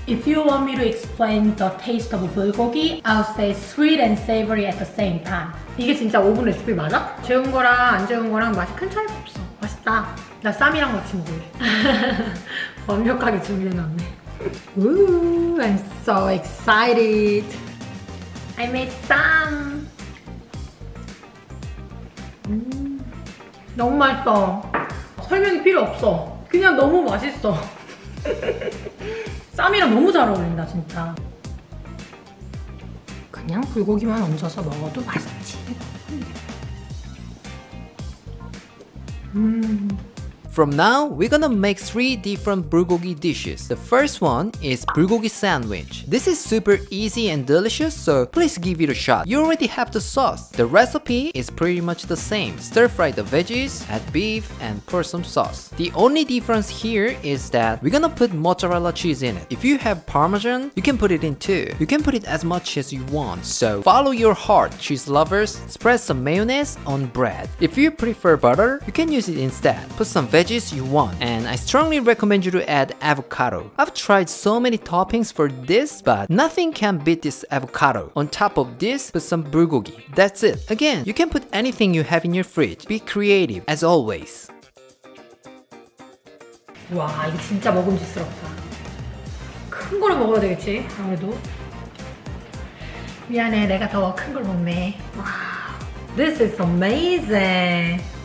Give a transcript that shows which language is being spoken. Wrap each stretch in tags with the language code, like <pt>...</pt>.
<en>If you want me to explain the taste of bulgogi, I'll say sweet and savory at the same time.</en> <ko>이게 진짜 오븐 레시피 맞아? 재운 거랑 안 재운 거랑 맛이 큰 차이가 없어. 맛있다. 나 쌈이랑 같이 먹을게. 완벽하게 준비해놨네.</ko> <en>Ooh, I'm so excited. I made 쌈.</en> <ko>너무 맛있어. 설명이 필요 없어. 그냥 너무 맛있어. 쌈이랑 너무 잘 어울린다, 진짜. 그냥 불고기만 얹어서 먹어도 맛있지.</ko> <en>From now, we're gonna make three different bulgogi dishes. The first one is bulgogi sandwich. This is super easy and delicious, so please give it a shot. You already have the sauce. The recipe is pretty much the same. Stir fry the veggies, add beef, and pour some sauce. The only difference here is that we're gonna put mozzarella cheese in it. If you have parmesan, you can put it in too. You can put it as much as you want. So follow your heart, cheese lovers. Spread some mayonnaise on bread. If you prefer butter, you can use it instead. Put some veggies you want. And I strongly recommend you to add avocado. I've tried so many toppings for this, but nothing can beat this avocado. On top of this, put some bulgogi. That's it. Again, you can put anything you have in your fridge. Be creative, as always.</en> <ko>와, 이거 진짜 먹음직스럽다. 큰 거로 먹어야 되겠지, 아무래도. 미안해, 내가 더 큰 걸 먹네.</ko> <en>와, this is amazing.</en>